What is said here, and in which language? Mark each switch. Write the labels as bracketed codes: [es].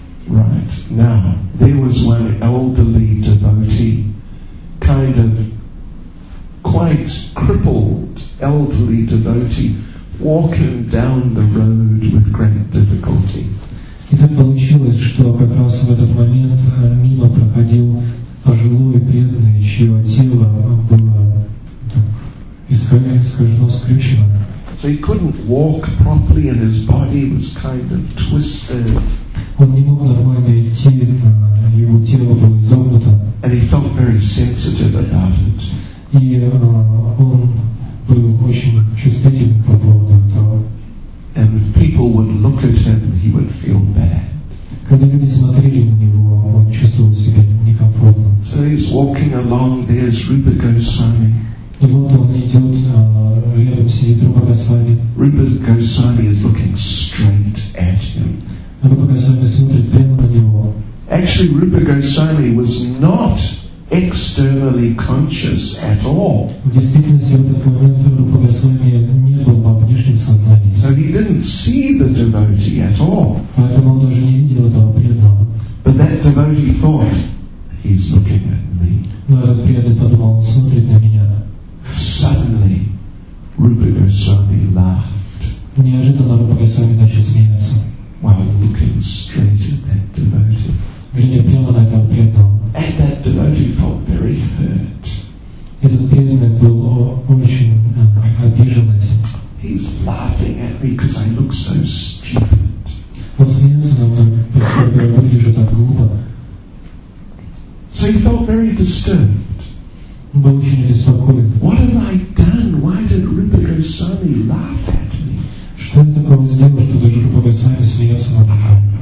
[en] Right. Now, there was one elderly devotee, kind of quite crippled elderly devotee, walking down the road with great difficulty. [ru] И так получилось, что как раз в этот момент мимо проходил пожилой преданный, чье тело было искажено, скрючено. [en] So he couldn't walk properly and his body was kind of twisted. [ru] Он не мог нормально идти, его тело было изогнуто. [en] And he felt very sensitive about it. [ru] И он был очень чувствительным по поводу этого. [en] And if people would look at him, he would feel bad. [ru] Когда люди смотрели на него, он чувствовал себя некомфортно. [en] So he's walking along, there's Rupa Goswami. [ru] И вот он идет, рядом сидит Рупа Госвами. [en] Rupa Goswami is looking straight at him. [ru] Рупа Госвами смотрит прямо на него. [en] Actually, Rupa Goswami was not externally conscious at all. [ru] В действительности, в этот момент Рупа Госвами не был во внешнем сознании. [en] So he didn't see the devotee at all. [ru] Поэтому он даже не видел этого преданного. [en] But that devotee thought, he's looking at me. [ru] Но этот преданный подумал, он смотрит на меня. [en] Suddenly, Rupa Goswami laughed. [ru] Неожиданно Рупа Госвами начал смеяться. [en] While looking straight at that devotee. [ru] Глядя прямо на этого преданного. [en] And that devotee felt very hurt. [ru] Этот преданный был очень обижен этим. [en] He's laughing at me because I look so stupid. [ru] Он смеялся на мной, поскольку я выгляжу так глупо. [en] So he felt very disturbed. [ru] Он был очень обеспокоен. [en] What have I done? Why did Rupa Goswami laugh at me? [ru] Что я такого сделал, что даже Рупа Госвами смеялся надо мной?